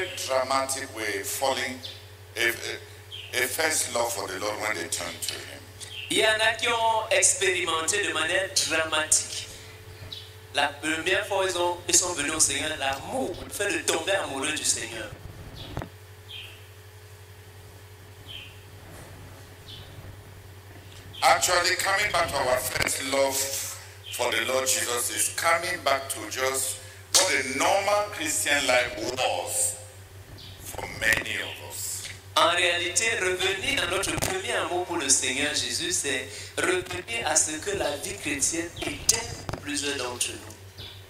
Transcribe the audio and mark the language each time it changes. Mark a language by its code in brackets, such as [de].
[en] romantic way, falling a first love for the Lord when they turn to him. [fr] Il y en a qui ont expérimenté de manière dramatique. La première fois ils sont venus au Seigneur, l'amour, le fait de tomber amoureux du Seigneur. [en] Actually, coming back to our first love for the Lord Jesus is coming back to just what a normal Christian life was for many of us. [fr] En réalité, revenir à notre premier amour pour le Seigneur Jésus, c'est revenir à ce que la vie chrétienne était pour plusieurs d'entre nous.